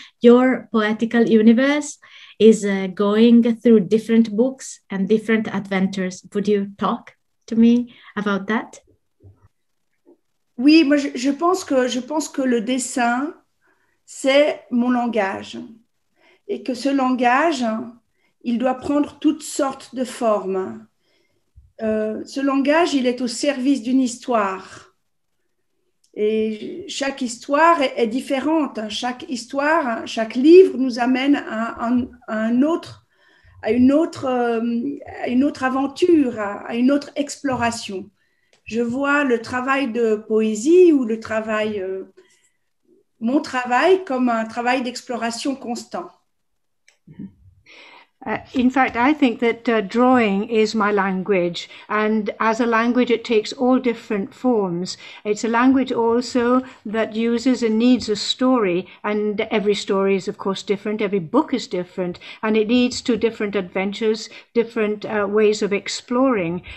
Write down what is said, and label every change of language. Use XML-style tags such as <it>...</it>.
<en>Your poetical universe is going through different books and different adventures. Would you talk to me about that?</en> <fr>Oui, moi je pense que le dessin, c'est mon langage. Et que ce langage, il doit prendre toutes sortes de formes. Ce langage, il est au service d'une histoire. Et chaque histoire est différente. Chaque histoire, chaque livre nous amène à une autre aventure, à une autre exploration. Je vois le travail de poésie ou le travail, mon travail, comme un travail d'exploration constant.</fr> <en>In fact, I think that drawing is my language, and as a language, it takes all different forms. It's a language also that uses and needs a story, and every story is, of course, different. Every book is different, and it leads to different adventures, different ways of exploring.</en>